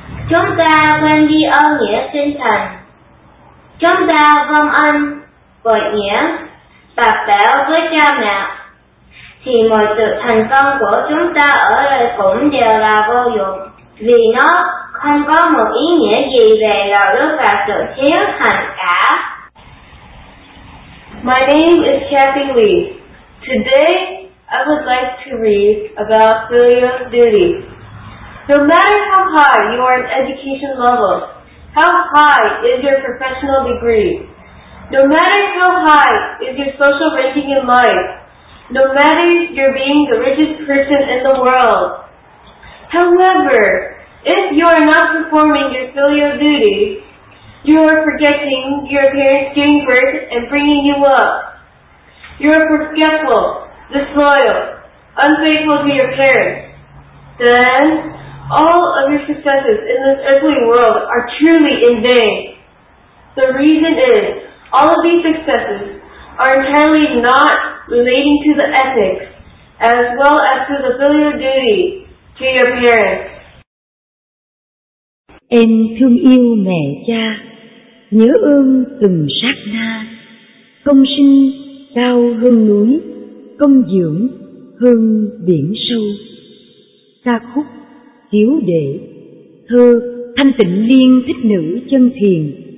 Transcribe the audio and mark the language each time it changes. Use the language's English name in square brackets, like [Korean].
[Vietnamese] chúng ta quên đi ơn nghĩa sinh thành, chúng ta vong ân, bội nghĩa, bạc bẽo với cha mẹ, thì mọi sự thành công của chúng ta ở đây cũng đều là vô dụng. vì nó không có một ý nghĩa gì về đạo đức và sự chiếu thành cả. [English] My name is Kathy Lee. Today, I would like to read about filial duty. No matter how high you are in education level, how high is your professional degree, no matter how high is your social ranking in life, no matter you're being the richest person in the world, however, if you are not performing your filial duty, you are forgetting your parents giving birth and bringing you up. You are forgetful, disloyal, unfaithful to your parents. Then, all of your successes in this earthly world are truly in vain. The reason is, all of these successes are entirely not relating to the ethics, as well as to the filial duty to your parents. [Vietnamese] Em thương yêu mẹ cha, nhớ ơn từng sát na, công sinh cao hơn núi, công dưỡng hơn biển sâu. Ca khúc Hiếu Đệ, thơ Thanh Tịnh Liên Thích Nữ Chân Thiền.